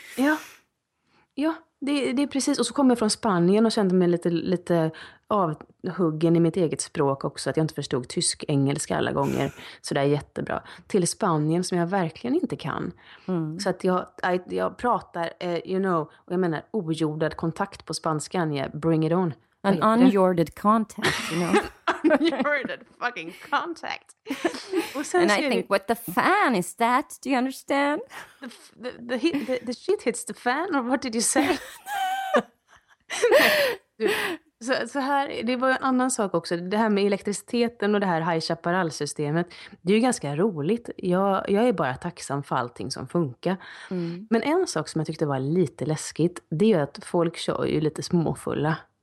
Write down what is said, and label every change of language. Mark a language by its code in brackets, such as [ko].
[sv] Ja, ja det är precis. Och så kom jag från Spanien och kände mig lite avhuggen i mitt eget språk också. Att jag inte förstod tysk, engelska alla gånger. Så det är jättebra. Till Spanien som jag verkligen inte kan. Mm. Så att jag pratar, [en] you know, [sv] och jag menar ojordad kontakt på spanskan. [en] Yeah, bring it on. An unjorded contact, you know. Unjorded fucking contact. And I think, what the fan is that? Do you understand? The shit hits the fan, or what did you say? [sv] Så här, det var en annan sak också. Det här med elektriciteten och det här High Chaparral-systemet. Det är ju ganska roligt. Jag är bara tacksam för allting som funkar. Mm. Men en sak som jag tyckte var lite läskigt, det är ju att folk kör ju lite småfulla.